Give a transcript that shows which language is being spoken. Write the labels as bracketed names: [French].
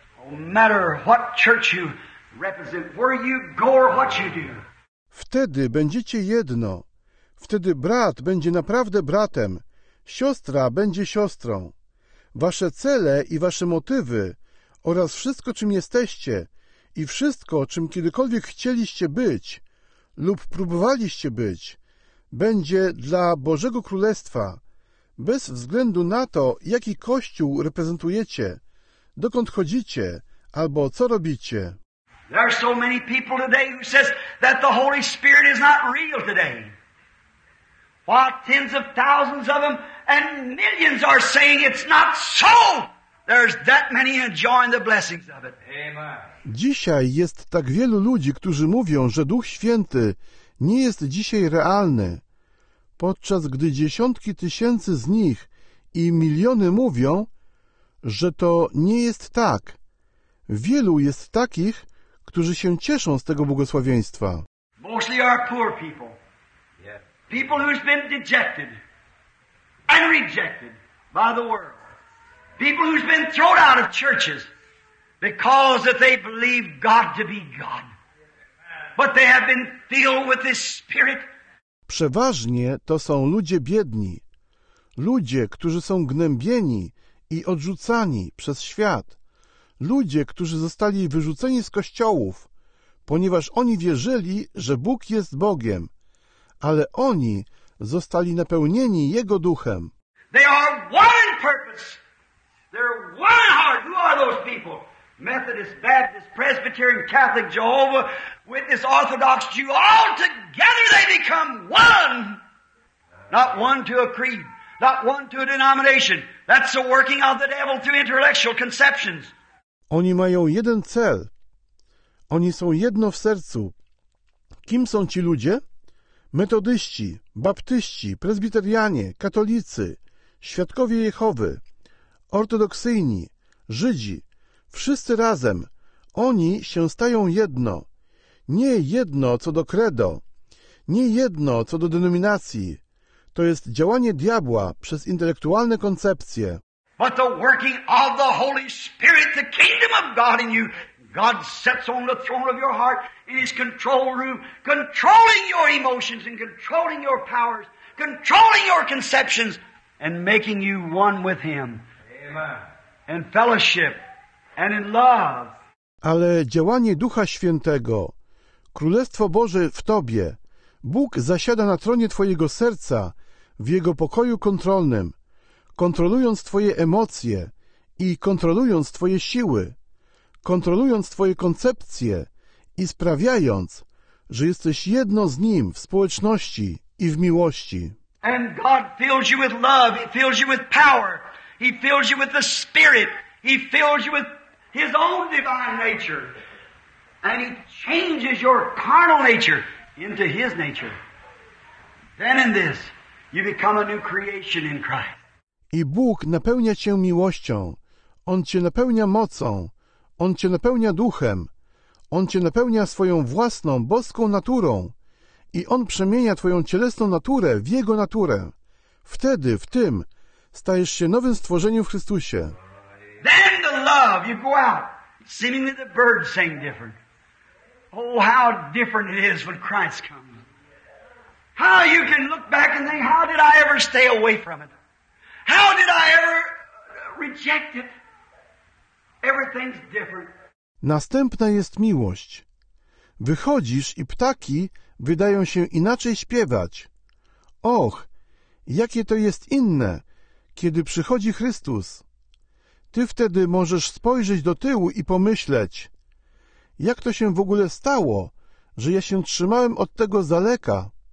[English] No matter what church you represent, where you go or what you do. [Polish] Wtedy będziecie jedno. Wtedy brat będzie naprawdę bratem. Siostra będzie siostrą. Wasze cele i wasze motywy oraz wszystko, czym jesteście i wszystko, czym kiedykolwiek chcieliście być lub próbowaliście być, będzie dla Bożego Królestwa, bez względu na to, jaki kościół reprezentujecie, dokąd chodzicie albo co robicie. [English] There are so many people today who says that the Holy Spirit is not real today. While tens of thousands of them and millions are saying it's not so. There's that many enjoying the blessings of it. Amen. [Polish] Dzisiaj jest tak wielu ludzi, którzy mówią, że Duch Święty nie jest dzisiaj realny, podczas gdy dziesiątki tysięcy z nich i miliony mówią, że to nie jest tak. Wielu jest takich, którzy się cieszą z tego błogosławieństwa. [English] Mostly are poor people. People who's been dejected and rejected by the world. People who's been thrown out of churches because that they believe God to be God. But they have been filled with His Spirit. [Polish] Przeważnie to są ludzie biedni. Ludzie, którzy są gnębieni i odrzucani przez świat. Ludzie, którzy zostali wyrzuceni z kościołów, ponieważ oni wierzyli, że Bóg jest Bogiem, ale oni zostali napełnieni Jego Duchem. [English] They are one in purpose. They're one heart. Who are those people? Methodist, Baptist, Presbyterian, Catholic, Jehovah, Witness, Orthodox, Jew, all together they become one. Not one to a creed, not one to a denomination. That's the working of the devil through intellectual conceptions. [Polish] Oni mają jeden cel. Oni są jedno w sercu. Kim są ci ludzie? Metodyści, baptyści, prezbiterianie, katolicy, świadkowie Jehowy, ortodoksyjni, Żydzi. Wszyscy razem. Oni się stają jedno. Nie jedno co do credo. Nie jedno co do denominacji. To jest działanie diabła przez intelektualne koncepcje. [English] But the working of the Holy Spirit, the kingdom of God in you, God sets on the throne of your heart in His control room, controlling your emotions and controlling your powers, controlling your conceptions, and making you one with Him. Amen. And fellowship and in love. [Polish] Ale działanie Ducha Świętego, Królestwo Boże w Tobie, Bóg zasiada na tronie Twojego serca, w Jego pokoju kontrolnym, kontrolując Twoje emocje i kontrolując Twoje siły, kontrolując Twoje koncepcje i sprawiając, że jesteś jedno z Nim w społeczności i w miłości. [English] And God fills you with love, He fills you with power, He fills you with the Spirit, He fills you with His own divine nature, and He changes your carnal nature into His nature. Then in this, you become a new creation in Christ. [Polish] I Bóg napełnia cię miłością. On cię napełnia mocą. On cię napełnia duchem. On cię napełnia swoją własną, boską naturą. I On przemienia twoją cielesną naturę w Jego naturę. Wtedy, w tym, stajesz się nowym stworzeniem w Chrystusie. [English] Then the love, you go out. Seemingly the birds sing different. Oh, how different it is when Christ comes. How you can look back and think, how did I ever stay away from it? How did I ever reject it? Everything's different. [Polish] Następna jest miłość. Wychodzisz i ptaki wydają się inaczej śpiewać. Och, jakie to jest inne, kiedy przychodzi Chrystus. Ty wtedy możesz spojrzeć do tyłu i pomyśleć, jak to się w ogóle stało, że ja się trzymałem od tego z daleka?